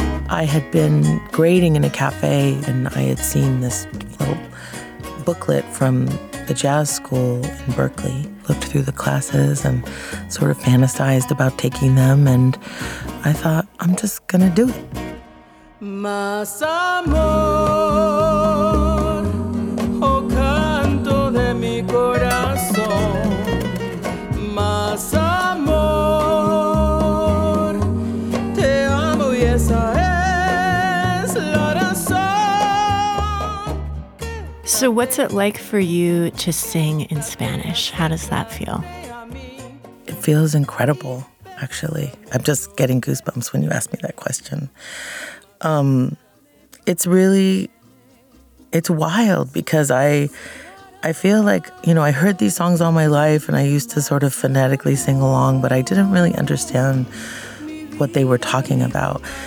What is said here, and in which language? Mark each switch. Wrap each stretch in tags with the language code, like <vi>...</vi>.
<en>I had been grading in a cafe and I had seen this little booklet from the jazz school in Berkeley, looked through the classes and sort of fantasized about taking them, and I thought, I'm just gonna do it.</en> <es>Más amor, oh canto de mi corazón. Más amor, te amo y esa es la razón.</es> <en>So what's it like for you to sing in Spanish? How does that feel? It feels incredible, actually. I'm just getting goosebumps when you ask me that question. It's wild because I feel like, you know, I heard these songs all my life and I used to sort of phonetically sing along, but I didn't really understand what they were talking about.</en>